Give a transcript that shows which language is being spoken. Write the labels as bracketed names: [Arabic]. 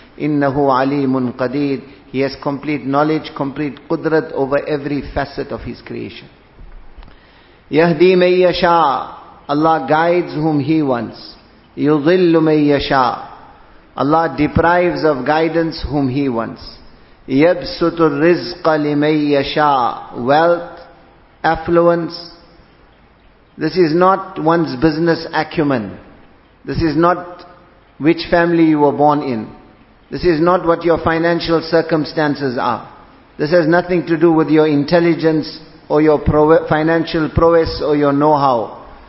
[Arabic] إِنَّهُ عَلِيمٌ قَدِيرٌ [English] He has complete knowledge, complete qudrat over every facet of His creation. [Arabic] يَهْدِي مَن يَشَاءُ [English] Allah guides whom He wants. [Arabic] يُضِلُّ مَن يَشَاءُ [English] Allah deprives of guidance whom He wants. [Arabic] يَبْسُطُ الرِّزْقَ لِمَن يَشَاءُ [English] Wealth, affluence. This is not one's business acumen. This is not which family you were born in. This is not what your financial circumstances are. This has nothing to do with your intelligence or your financial prowess or your know-how.